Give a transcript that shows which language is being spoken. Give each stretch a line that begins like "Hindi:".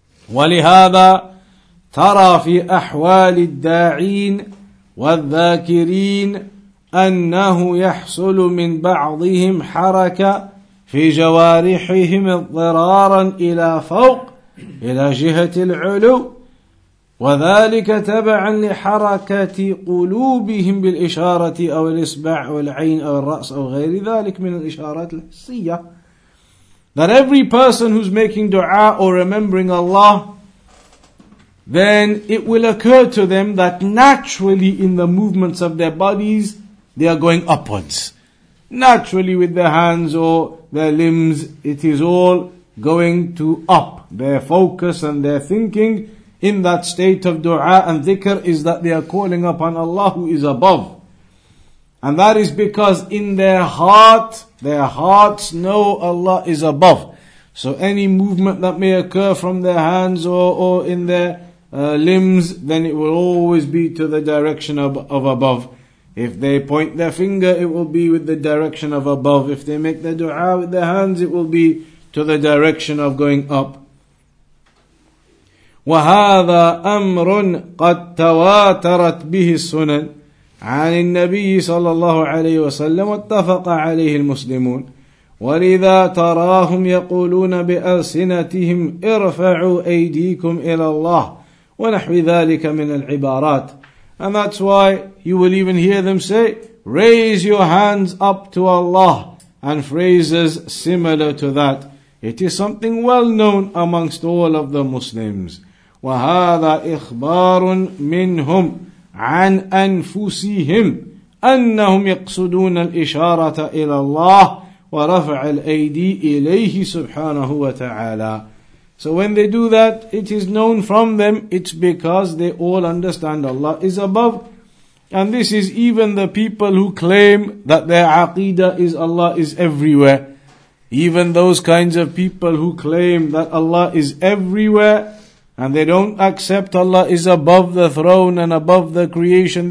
Arabic: وَلِهَذَا تَرَى فِي أَحْوَالِ الدَّاعِينَ وَالذَّاكِرِينَ أَنَّهُ يَحْصُلُ مِنْ بَعْضِهِمْ حَرَكَةً فِي جَوَارِحِهِمْ اضْطِرَارًا إِلَى فَوْقِ إِلَى جِهَةِ الْعُلُوِ وذلك تبعا لحركة قلوبهم بالإشارة أو الإصبع أو العين أو الرأس أو غير ذلك من الإشارات الحسية.
English: That every person who's making dua or remembering Allah, then it will occur to them that naturally in the movements of their bodies, they are going upwards. Naturally with their hands or their limbs, it is all going to up. Their focus and their thinking in that state of dua and dhikr is that they are calling upon Allah who is above. And that is because in their hearts know Allah is above. So any movement that may occur from their hands or in their limbs, then it will always be to the direction of above. If they point their finger, it will be with the direction of above. If they make their dua with their hands, it will be to the direction of going up.
Arabic: وهذا أمر قد تواترت به السنن عن النبي صلى الله عليه وسلم واتفق عليه المسلمون ولذا تراهم يقولون بألسنتهم ارفعوا أيديكم إلى الله ونحو ذلك من العبارات.
English: And that's why you will even hear them say, raise your hands up to Allah, and phrases similar to that. It is something well known amongst all of the Muslims.
Arabic: وهذا إخبار منهم عن أنفسهم أنهم يقصدون الإشارة إلى الله ورفع الأيدي إليه سبحانه وتعالى.
English: So when they do that, it is known from them, it's because they all understand Allah is above. And this is even the people who claim that their aqidah is Allah is everywhere. Even those kinds of people who claim that Allah is everywhere, and they don't accept Allah is above the throne and above the creation.